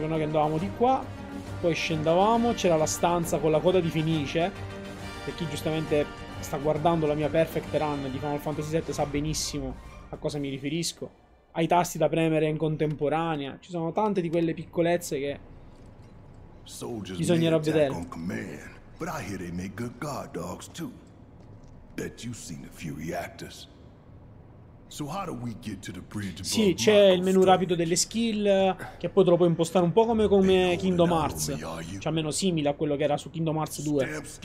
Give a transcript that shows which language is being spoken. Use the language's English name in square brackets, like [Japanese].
[Italian] Noi che andavamo di qua, poi scendavamo, c'era la stanza con la coda di Fenice. Per chi giustamente sta guardando la mia perfect run di Final Fantasy VII sa benissimo a cosa mi riferisco. Ai tasti da premere in contemporanea, ci sono tante di quelle piccolezze che bisognerà vedere. [English] But I hear they make good guard dogs too. Bet you've seen a few reactors. So how do we get to the bridge? [Italian] Sì, c'è il menu rapido delle skill che poi te lo puoi impostare un po' come Kingdom Hearts, cioè almeno simile a quello che era su Kingdom Hearts 2.